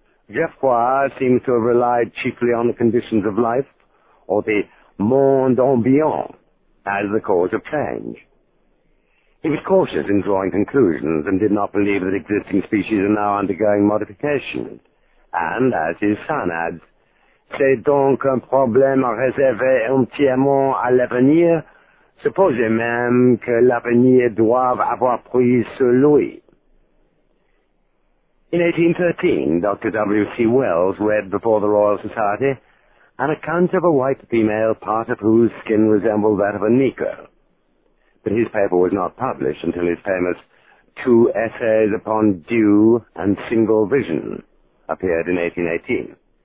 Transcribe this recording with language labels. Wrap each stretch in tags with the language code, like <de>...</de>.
<en>Geoffroy seems to have relied chiefly on the conditions of life, or the monde ambiant, as the cause of change. He was cautious in drawing conclusions and did not believe that existing species are now undergoing modification. And, as his son adds,</en> <fr>c'est donc un problème réservé entièrement à l'avenir, supposez même que l'avenir doive avoir pris sur lui.</fr> <en>In 1813, Dr. W.C. Wells read before the Royal Society an account of a white female, part of whose skin resembled that of a negro. But his paper was not published until his famous Two Essays upon Dew and Single Vision appeared in 1818.</en>